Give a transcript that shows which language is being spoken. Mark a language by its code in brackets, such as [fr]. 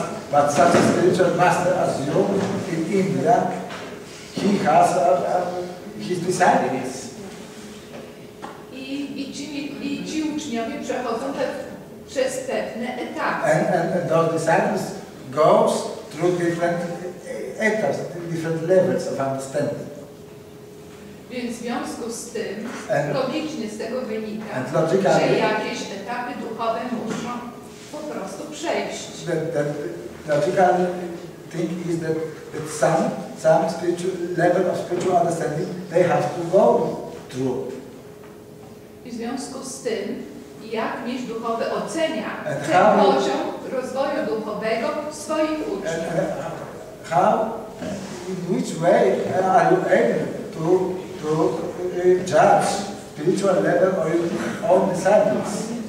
[en] But such a spiritual master as you in India, he has his disciples. [pl] I I ci uczniowie przechodzą przez pewne etapy. [en] And those disciples go through different etapas, different levels of understanding. [pl] Więc w związku z tym, logicznie z tego wynika, że jakieś etapy duchowe muszą po prostu przejść. [en] The logical thing is that some spiritual level of spiritual understanding they have to go through. [pl] I w związku z tym, jak mistrz duchowy ocenia ten poziom rozwoju duchowego swoich uczniów? [en] How, in which way are you able to judge spiritual level of your own disciples?